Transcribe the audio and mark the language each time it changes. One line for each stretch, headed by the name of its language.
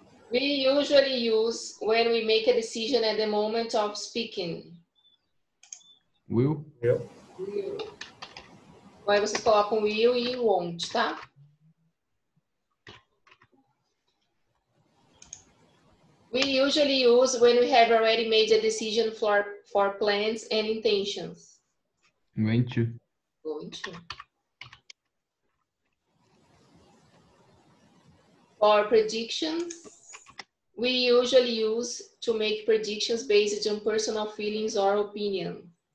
English: We usually use when we make a decision at the moment of speaking. Will? Yep.
Portuguese: Will. Aí vocês colocam will e won't, tá?
English: We usually use when we have already made a decision for plans and intentions. Going to. Going to. For predictions. We usually use to make predictions based on personal feelings or opinion.